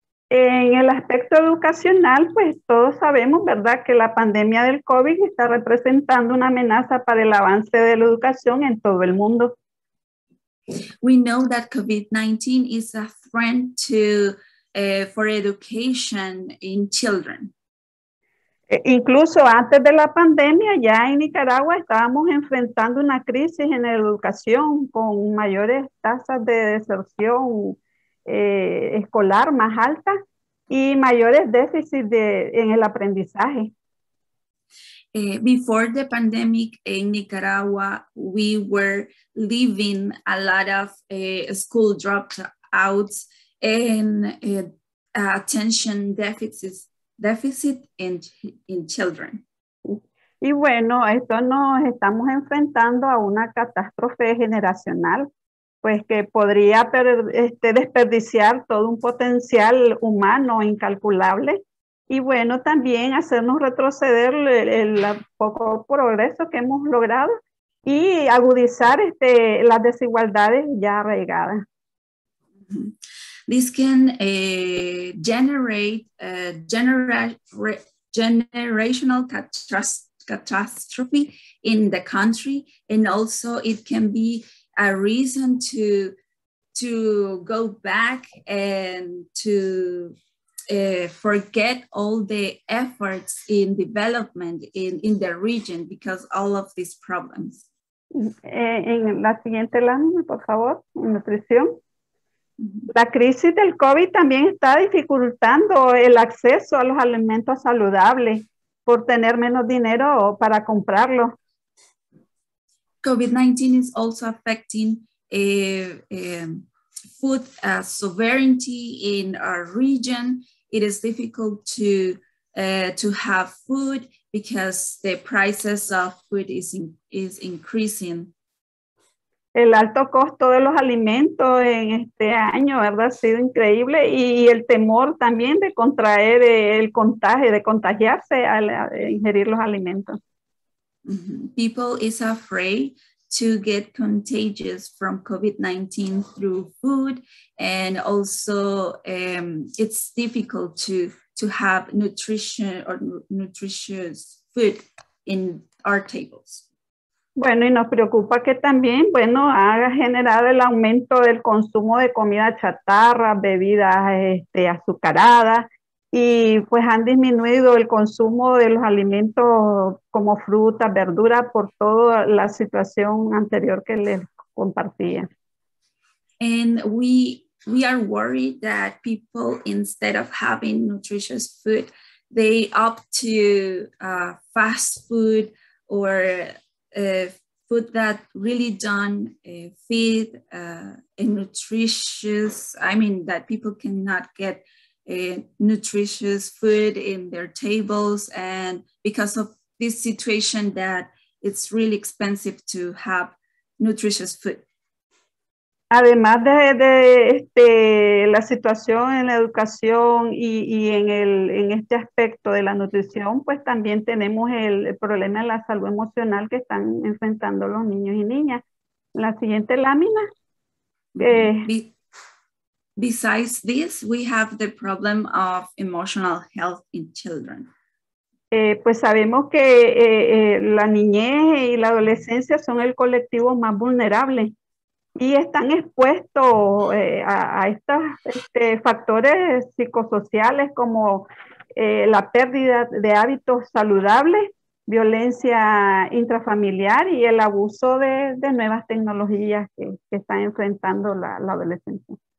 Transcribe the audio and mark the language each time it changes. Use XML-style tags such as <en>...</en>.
<es>En el aspecto educacional, pues todos sabemos, ¿verdad?, que la pandemia del COVID está representando una amenaza para el avance de la educación en todo el mundo.</es> <en>We know that COVID-19 is a threat to for education in children.</en> <es>Incluso antes de la pandemia, ya en Nicaragua estábamos enfrentando una crisis en educación con mayores tasas de deserción escolar más altas y mayores déficits en el aprendizaje.</es> <en>Before the pandemic in Nicaragua, we were living a lot of school dropouts and attention deficits. Deficit in children.</en> <es>Y bueno, esto nos estamos enfrentando a una catástrofe generacional, pues que podría desperdiciar todo un potencial humano incalculable y bueno, también hacernos retroceder el poco progreso que hemos logrado y agudizar las desigualdades ya arraigadas. Mm-hmm.</es> <en>This can generate a generational catastrophe in the country, and also it can be a reason to go back and to forget all the efforts in development in the region because all of these problems.</en> <es>En la siguiente lámina, por favor, nutrición. La crisis del COVID también está dificultando el acceso a los alimentos saludables por tener menos dinero para comprarlo.</es> <en>COVID-19 is also affecting food sovereignty in our region. It is difficult to have food because the prices of food is increasing.</en> <es>El alto costo de los alimentos en este año, ¿verdad? Ha sido increíble y el temor también de contraer el contagio, de contagiarse al ingerir los alimentos.</es> <en>People is afraid to get contagious from COVID-19 through food and also it's difficult to have nutritious food in our tables.</en> <es>Bueno, y nos preocupa que también, bueno, ha generado el aumento del consumo de comida chatarra, bebidas azucaradas, y pues han disminuido el consumo de los alimentos como frutas, verduras, por toda la situación anterior que les compartía.</es> <en>And we are worried that people, instead of having nutritious food, they opt to fast food or food that really don't feed and nutritious, I mean that people cannot get nutritious food in their tables, and because of this situation that it's really expensive to have nutritious food.</en> <es>Además de la situación en la educación y en este aspecto de la nutrición, pues también tenemos el problema de la salud emocional que están enfrentando los niños y niñas. La siguiente lámina.</es> <en>Besides this, we have the problem of emotional health in children.</en> <es>Pues sabemos que la niñez y la adolescencia son el colectivo más vulnerable. Y están expuestos a estos factores psicosociales como la pérdida de hábitos saludables, violencia intrafamiliar y el abuso de nuevas tecnologías que están enfrentando la adolescencia.</es>